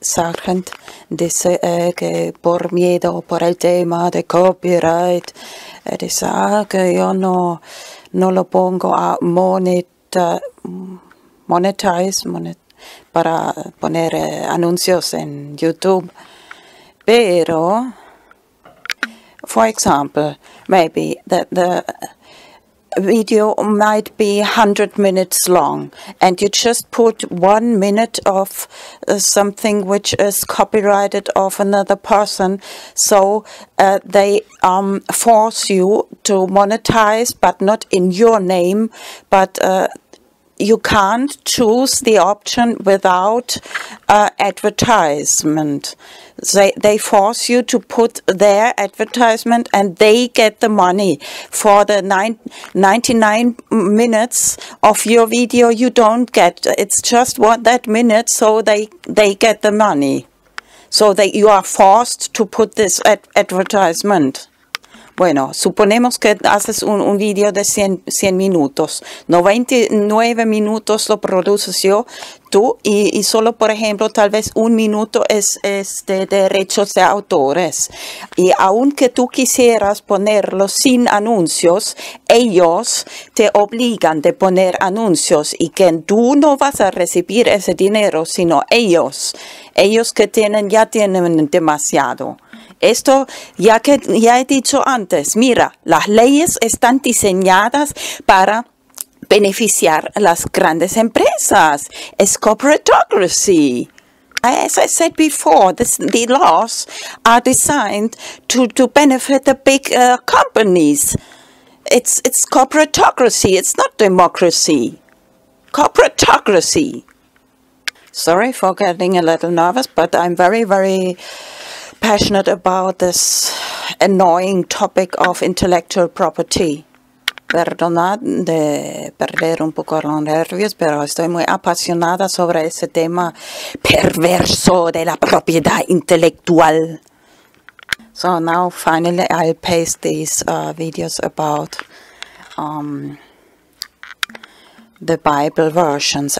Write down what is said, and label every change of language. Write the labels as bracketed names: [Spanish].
[Spanish] Sargent dice que por miedo por el tema de copyright, dice que yo no lo pongo a monetize para poner anuncios en YouTube. Pero, [English] for example, maybe the video might be 100 minutes long, and you just put 1 minute of something which is copyrighted of another person, so they force you to monetize, but not in your name, but you can't choose the option without advertisement. They force you to put their advertisement and they get the money. For the 99 minutes of your video, you don't get. It's just that minute, so they get the money. So that you are forced to put this advertisement. [Spanish] Bueno, suponemos que haces un video de 100 minutos. 99 minutos lo produces yo, tú, y solo, por ejemplo, tal vez un minuto es de derechos de autores. Y aunque tú quisieras ponerlo sin anuncios, ellos te obligan de poner anuncios y que tú no vas a recibir ese dinero, sino ellos. Ellos que ya tienen demasiado. Esto ya he dicho antes, mira, las leyes están diseñadas para beneficiar a las grandes empresas. Es corporatocracy. [English] As I said before, the laws are designed to benefit the big companies. It's corporatocracy, it's not democracy. Corporatocracy. Sorry for getting a little nervous, but I'm very, very passionate about this annoying topic of intellectual property. [Spanish] Perdonad de perder un poco los nervios, pero estoy muy apasionada sobre ese tema perverso de la propiedad intelectual. [English] So now finally I'll paste these videos about the Bible versions.